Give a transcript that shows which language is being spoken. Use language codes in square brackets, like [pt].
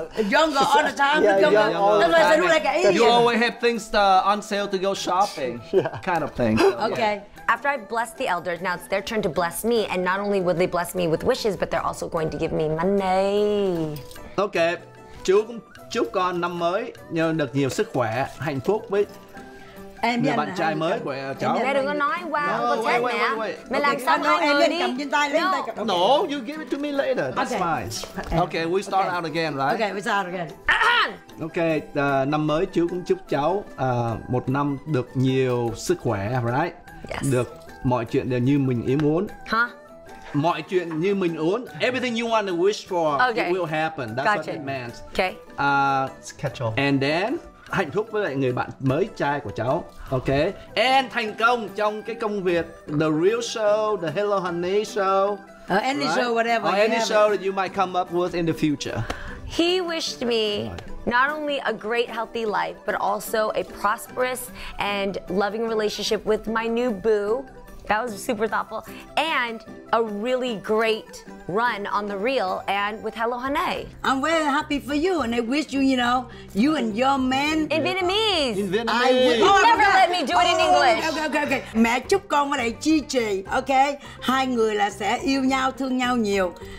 [en] Younger all the time. Younger. That's why I look like an alien. You always have things on sale to go shopping. Yeah. Kind of thing. So, okay. Yeah. After I bless the elders, now it's their turn to bless me. And not only would they bless me with wishes, but they're also going to give me money. Okay. Chúc [vi] chúc con năm mới nhờ được nhiều sức khỏe, hạnh phúc với người bạn trai mới của cháu. Mẹ đừng có nói qua ông cha mẹ. Mẹ làm xong hai người đi. [en] No, you give it to me later. That's fine. Okay, we start out again, right? Okay, we start again. [vi] Okay, năm mới chú cũng chúc cháu một năm được nhiều sức khỏe, right? [en] Yes. [vi] Được mọi chuyện đều như mình ý muốn. Hả? Mọi chuyện như mình muốn. [en] Everything you want to wish for, okay, it will happen. That's gotcha. What it means. Okay. Catch up. And then, [vi] hạnh phúc với lại người bạn mới trai của cháu. Okay. And thành công trong cái công việc The Real Show, The Hello Hunnay Show. [en] Any right? show, whatever. Or any show that you might come up with in the future. He wished me not only a great healthy life, but also a prosperous and loving relationship with my new boo. That was super thoughtful. And a really great run on The Real and with Hello Hunnay. I'm very happy for you and I wish you, you know, you and your man. In Vietnamese. In Vietnamese. You never let me do it in English. Okay. [vi] Mẹ chúc con ở đây chi trì, okay? Hai người là sẽ yêu nhau, thương nhau nhiều.